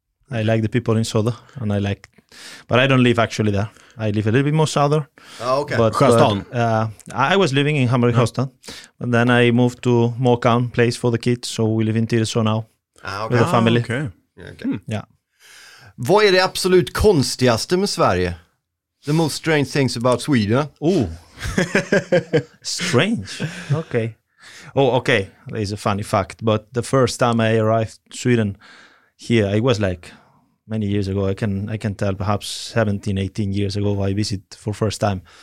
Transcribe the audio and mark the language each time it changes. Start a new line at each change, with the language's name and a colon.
English: I like the people in Söder. And I like... But I don't live actually there. I live a little bit more south. Sjöstan. I was living in Hammarby Sjöstan. But then I moved to more calm place for the kids. So we live in Tyresö now. Okay. With the family. Okay. Yeah, yeah.
Swedish: Vad är det absolut konstigaste med Sverige?
English: The most strange things about Sweden. Oh. Strange. Okay. Oh, okay. That is a funny fact. But the first time I arrived Sweden here, it was like many years ago. I can tell perhaps 17, 18 years ago I visited for first time.